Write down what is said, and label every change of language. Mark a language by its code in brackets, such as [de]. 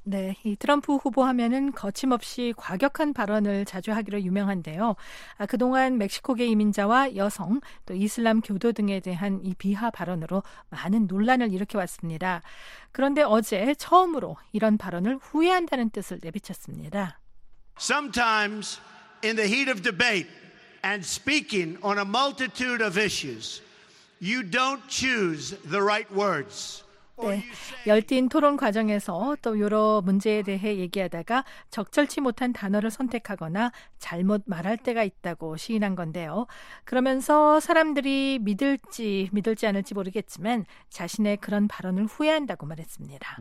[ko] 네, 이 트럼프 후보 하면은 거침없이 과격한 발언을 자주 하기로 유명한데요. 그동안 멕시코계 이민자와 여성, 또 이슬람 교도 등에 대한 이 비하 발언으로 많은 논란을 일으켜왔습니다. 그런데 어제 처음으로 이런 발언을 후회한다는 뜻을 내비쳤습니다. [en] Sometimes in the heat of debate and speaking on a multitude of issues, you don't choose the right words. [ko] 네, 열띤 토론 과정에서 또 여러 문제에 대해 얘기하다가 적절치 못한 단어를 선택하거나 잘못 말할 때가 있다고 시인한 건데요. 그러면서 사람들이 믿을지 믿을지 않을지 모르겠지만 자신의 그런 발언을 후회한다고 말했습니다.